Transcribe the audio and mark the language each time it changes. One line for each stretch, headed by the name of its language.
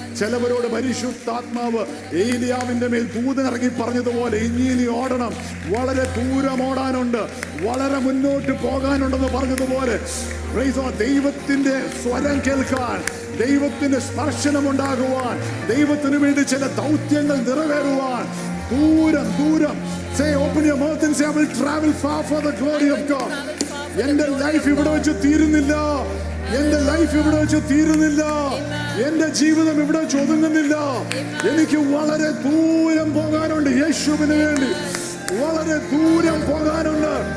Malayalam: ചിലവരോട് പരിശുദ്ധാത്മാവ് ഏലിയാവിന്റെ മേൽ ദൂതനിറങ്ങി പറഞ്ഞതുപോലെ, ഇനി ഇനി ഓടണം, വളരെ ദൂരം ഓടാനുണ്ട്, വളരെ മുന്നോട്ട് പോകാനുണ്ടെന്ന് പറഞ്ഞതുപോലെ. ദൈവത്തിന്റെ സ്വരം കേൾക്കാൻ, ദൈവത്തിന്റെ സ്പർശനം ഉണ്ടാകുവാൻ, ദൈവത്തിന് വേണ്ടി ചില ദൗത്യങ്ങൾ നിറവേറുവാൻ, ദൂരം ദൂരം.
English: Say, open your mouth and say, I will travel far for the glory of God.
Malayalam: എന്റെ ലൈഫ് ഇവിടെ വെച്ച് തീരുന്നില്ല, എന്റെ ലൈഫ് ഇവിടെ വെച്ച് തീരുന്നില്ല, എന്റെ ജീവിതം ഇവിടെ വെച്ച് ഒതുങ്ങുന്നില്ല, എനിക്ക് വളരെ ദൂരം പോകാനുണ്ട് യേശുവിന് വേണ്ടി, വളരെ ദൂരം പോകാനുണ്ട്.